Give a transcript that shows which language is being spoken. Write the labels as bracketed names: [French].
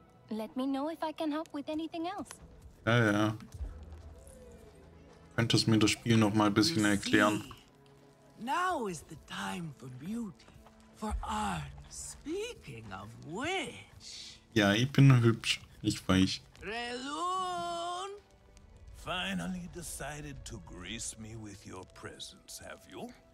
[English] Let me know if I can help with anything else. [German] Ja, ja. Könntest du mir das Spiel noch mal ein bisschen erklären? [English] Now is the time for beauty, for art. Speaking of which. [German] Ja, ich bin hübsch. Ich weich. Relun! [English] Finally decided to grace me with your presence, have you?